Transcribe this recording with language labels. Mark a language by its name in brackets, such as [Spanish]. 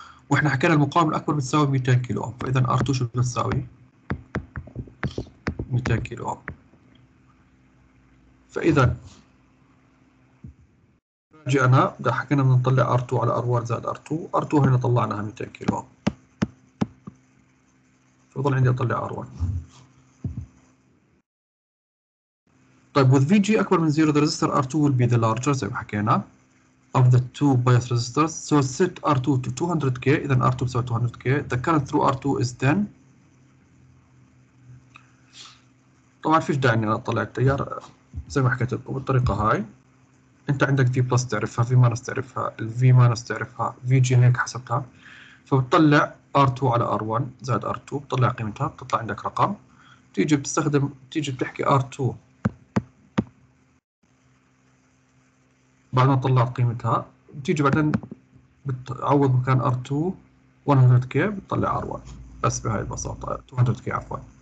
[Arabic] واحنا حكينا المقاومه الاكبر بتساوي 200 كيلو اوم، فاذا ار2 شو بتساوي؟ 200 كيلو اوم. فإذا راجي أنا بدي حكينا بنطلع R2 على R1 زائد R2، R2 هنا طلعناها 200 كيلو، فبضل عندي أطلع R1. طيب [English] with VG [Arabic] أكبر من زيرو [English] the resistor R2 will be the larger [Arabic] زي ما حكينا [English] of the two bias resistors so set R2 to 200K. [Arabic] إذا [English] R2 [Arabic] بساوي [English] 200K، the current through R2 is then. [Arabic] طبعا فيش داعي إني أنا أطلع التيار زي ما حكيت لكم بالطريقة هاي، انت عندك في بلس تعرفها، في ماينس تعرفها، الفي ماينس تعرفها، في جي هيك حسبتها، فبتطلع ار2 على ار1 زائد ار2 بتطلع قيمتها، بتطلع عندك رقم، تيجي بتستخدم تيجي بتحكي ار2 بعد ما طلعت قيمتها، بتيجي بعدين بتعوض مكان ار2 100K بتطلع ار1، بس بهاي البساطة 200K عفوا.